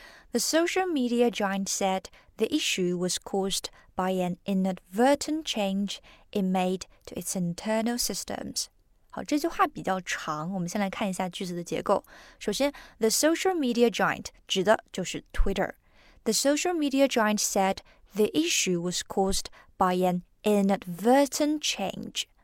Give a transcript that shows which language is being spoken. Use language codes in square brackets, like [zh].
[en] The social media giant said the issue was caused by an inadvertent change it made to its internal systems. [zh] 好，这句话比较长，我们先来看一下句子的结构。首先 , [en] the social media giant [zh] 指的就是 Twitter. [en] The social media giant said the issue was caused by an inadvertent change.